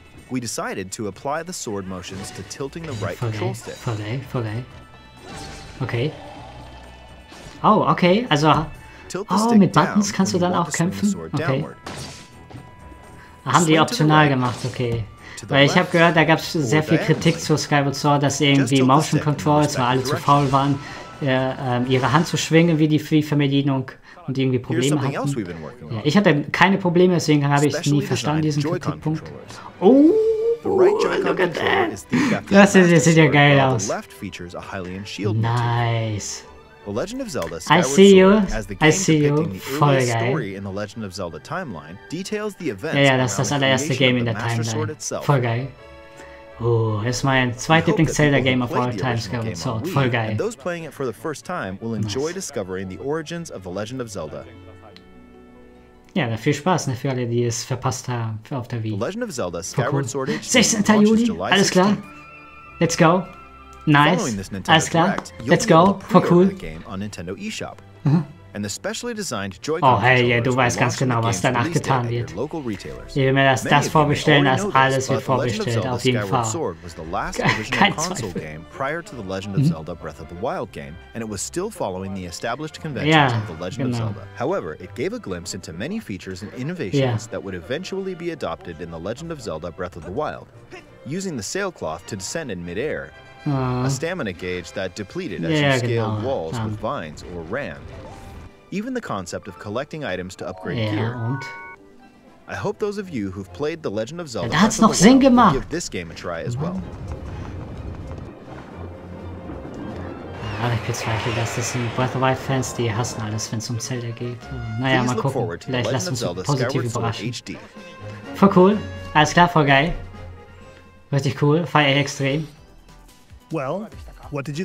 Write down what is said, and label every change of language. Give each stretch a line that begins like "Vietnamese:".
English: We decided to apply the sword motions to tilting the right control stick. Okay. Okay. Oh, okay.
German: Also, mit Buttons kannst du dann auch kämpfen? Okay. Haben die optional gemacht, okay. Weil ich habe gehört, da gab es sehr viel Kritik zu Skyward Sword, dass irgendwie Motion Controls, weil alle zu faul waren, ihre Hand zu schwingen wie die Wii-Fernbedienung. Und irgendwie Probleme hatten. Ja, ich hatte keine Probleme, deswegen habe ich nie verstanden, diesen Kritikpunkt.
English: Oh, look at that!
German: Das sieht ja geil aus.
English: Nice. I see you.
German: Voll geil. Ja, das ist das allererste Game in der Timeline. Voll geil. Oh, das ist mein zweitlieblings Zelda Game
English: of all time,
German: Skyward Sword. Voll geil.
English: Those playing it for the first time will enjoy discovering the origins of the Legend of Zelda.
German: Ja, viel Spaß, ne, für alle, die es verpasst haben auf der Wii.
English: The Legend of Zelda Skyward Sword HD.
German: 16. Juli, alles klar.
English: Let's go. Nice.
German: Alles klar.
English: Let's go. For cool. Mhm. And the specially designed Joy-Con
German: du weißt ganz genau, was danach getan wird. Je mehr das vorbestellen, als alles wird vorbestellt, auf jeden Fall. Kein Zweifel.
English: Game prior to the Legend of Zelda Breath of the Wild game, and it was still following the established conventions of the Legend of Zelda. However, it gave a glimpse into many features and innovations that would eventually be adopted in the Legend of Zelda Breath of the Wild, using the sailcloth to descend in midair, a stamina gauge that depleted as you scaled walls with vines or ran. Even the concept of collecting items to upgrade gear.
German: Und?
English: I hope those of you who've played The Legend of Zelda
German: hat's noch Sinn gemacht.
English: Give this game a try as well.
German: Ich bezweifle, dass das sind Breath of the Wild Fans, die hassen alles, wenn es Zelda geht. Naja, mal gucken. Vielleicht lass uns positiv überraschen. Voll cool. Alles klar, voll geil. Richtig cool. Feier extrem.
English: Well. What did you